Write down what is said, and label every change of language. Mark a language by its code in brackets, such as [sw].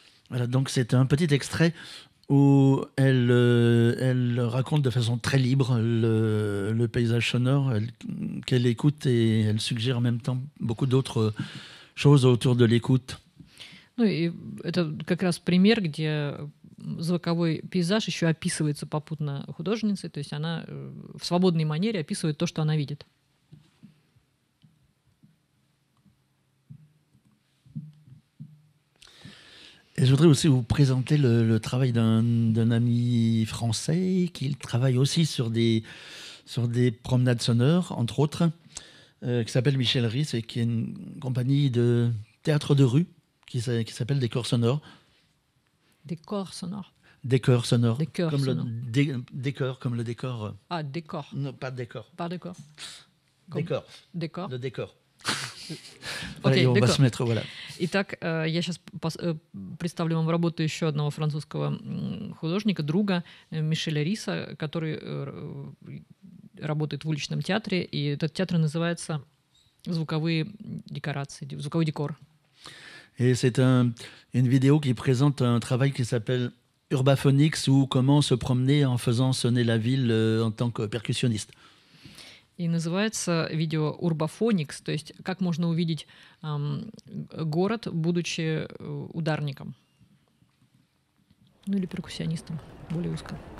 [fr] Voilà, donc c'est un petit extrait où elle raconte de façon très libre le paysage sonore qu'elle écoute, et elle suggère en même temps beaucoup d'autres choses autour de l'écoute. [ru] Ну и это как раз пример, где звуковой пейзаж еще описывается попутно художницей, то есть она в свободной манере описывает то, что она видит. [fr] Et je voudrais aussi vous présenter le travail d'un ami français qui travaille aussi sur des promenades sonores, entre autres, qui s'appelle Michel Ries et qui est une compagnie de théâtre de rue qui s'appelle Décor Sonore. Décor Sonore. Décor Sonore. Décor comme sonore. Décor, comme le décor. Ah, décor. Non, pas décor. Pas décor. Décor. Décor. Le décor. Okay, allez, on va se mettre, voilà. [ru] Итак, я сейчас представлю вам работу еще одного французского художника, друга Мишеля Риса, который работает в уличном театре, и этот театр называется «Звуковые декорации», «Звуковой декор». [fr] Et c'est une vidéo qui présente un travail qui s'appelle Urbaphonics, ou comment se promener en faisant sonner la ville en tant que percussionniste. [ru] И называется видео «Урбафоникс», то есть как можно увидеть город, будучи ударником. Ну или перкуссионистом, более узко.